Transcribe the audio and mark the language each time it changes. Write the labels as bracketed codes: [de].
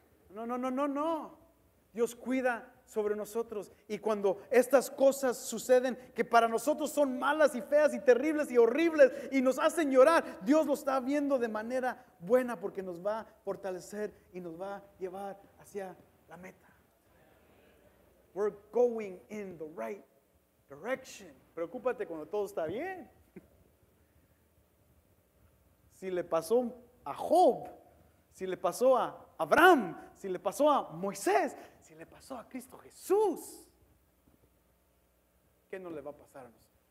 [es] No. Dios cuida sobre nosotros. Y cuando estas cosas suceden, que para nosotros son malas y feas y terribles y horribles, y nos hacen llorar, Dios lo está viendo de manera buena, porque nos va a fortalecer y nos va a llevar hacia la meta. [en] We're going in the right direction. [es] Preocúpate cuando todo está bien. Si le pasó a Job, si le pasó a Abraham, si le pasó a Moisés, si le pasó a Cristo Jesús, ¿qué no le va a pasar a nosotros?